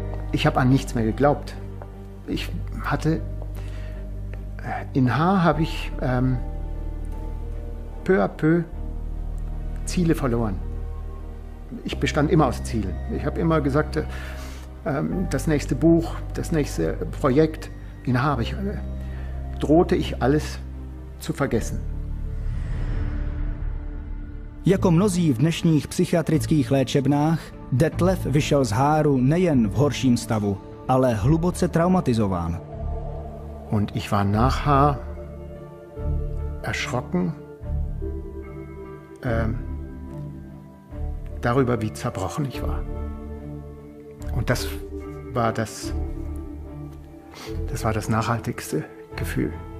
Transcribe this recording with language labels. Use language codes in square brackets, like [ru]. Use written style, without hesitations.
[de] Ich habe an nichts mehr geglaubt. Ich hatte in Haar habe ich peu à peu Ziele verloren. Ich bestand immer aus Zielen. Ich habe immer gesagt, das nächste Buch, das nächste Projekt, in Haar drohte ich alles zu vergessen. [cs] Jako mnozí v dnešních psychiatrických léčebnách, Detlef vyšel z Haaru nejen v horším stavu, ale hluboce traumatizován. [de] Und ich war nach Haar erschrocken darüber, wie zerbrochen ich war. Und das war das nachhaltigste Gefühl.